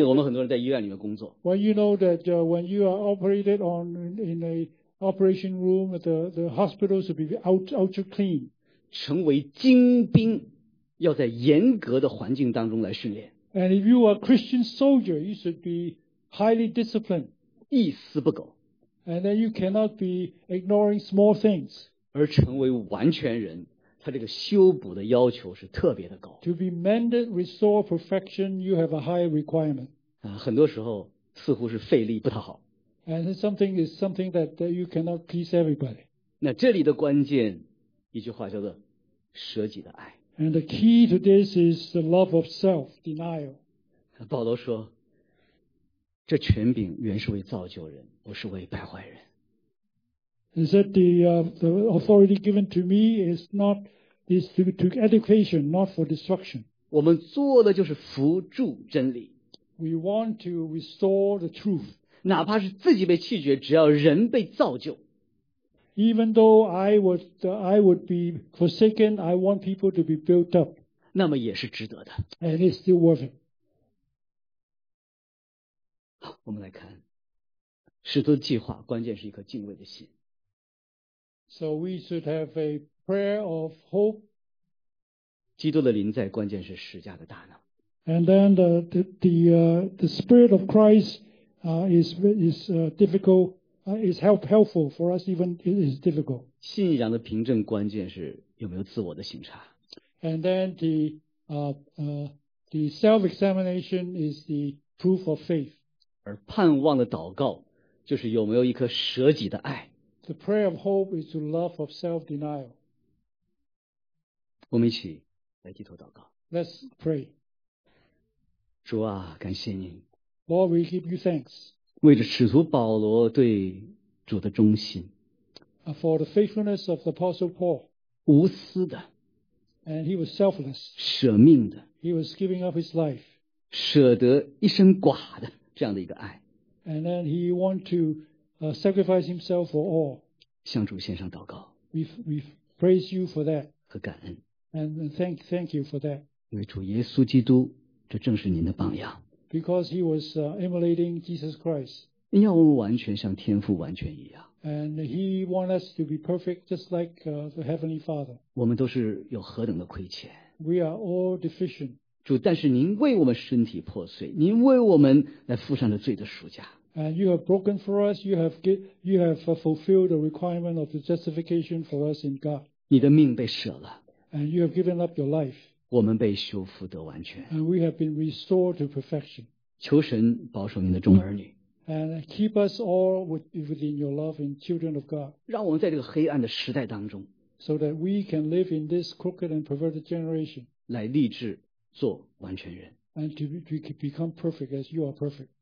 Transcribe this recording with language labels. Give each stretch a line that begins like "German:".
English: you know,
Chinese: 我们很多人在医院里面工作。
English: When you know that when you are operated on in a operation room, the hospital should be ultra clean.
Chinese: 成为精兵，要在严格的环境当中来训练。
English: And if you are a Christian soldier, you should be highly disciplined.
Chinese: 一丝不苟。
English: And then you cannot be ignoring small things.
Chinese: 而成为完全人。他这个修补的要求是特别的高。
English: To be mended, restore perfection, you have a high requirement.
Chinese: 很多时候似乎是费力不讨好。
English: And something is something that you cannot please everybody.
Chinese: 那这里的关键，一句话叫做舍己的爱。
English: And the key to this is the love of self, denial.
Chinese: 保罗说，这权柄原是为造就人，不是为败坏人。
English: He said the authority given to me is to education, not for destruction.
Chinese: 我们做的就是扶助真理。
English: We want to restore the truth.
Chinese: 哪怕是自己被弃绝，只要人被造就。
English: Even though I would be forsaken, I want people to be built up.
Chinese: 那么也是值得的。
English: And it's still worth it.
Chinese: 好，我们来看使徒的计划，关键是一颗敬畏的心。
English: So we should have a prayer of hope.
Chinese: 基督的临在，关键是十架的大能。
English: And then the Spirit of Christ is helpful for us even it is difficult.
Chinese: 信仰的凭证，关键是有没有自我的省察。
English: And then the self-examination is the proof of faith.
Chinese: 而盼望的祷告，就是有没有一颗舍己的爱。
English: The prayer of hope is the love of self-denial.
Chinese: 我们一起来低头祷告。
English: Let's pray.
Chinese: 主啊，感谢您。
English: Lord, we give you thanks.
Chinese: 为着使徒保罗对主的忠心。
English: For the faithfulness of the Apostle Paul.
Chinese: 无私的。
English: And he was selfless.
Chinese: 舍命的。
English: He was giving up his life.
Chinese: 舍得一身剐的这样的一个爱。
English: And then he wanted to sacrifice himself for all.
Chinese: 向主献上祷告。
English: We praise you for that.
Chinese: 和感恩。
English: And thank you for that.
Chinese: 因为主耶稣基督，这正是您的榜样。
English: Because he was emulating Jesus Christ.
Chinese: 您要我们完全像天父完全一样。
English: And he wants us to be perfect just like the Heavenly Father.
Chinese: 我们都是有何等的亏欠。
English: We are all deficient.
Chinese: 主，但是您为我们身体破碎，您为我们来付上了罪的赎价。
English: And you have broken for us, you have fulfilled the requirement of the justification for us in God.
Chinese: 你的命被舍了。
English: And you have given up your life.
Chinese: 我们被修复得完全。
English: And we have been restored to perfection.
Chinese: 求神保守您的众儿女。
English: And keep us all within your love in children of God.
Chinese: 让我们在这个黑暗的时代当中。
English: So that we can live in this crooked and perverted generation.
Chinese: 来立志做完全人。
English: And to become perfect as you are perfect.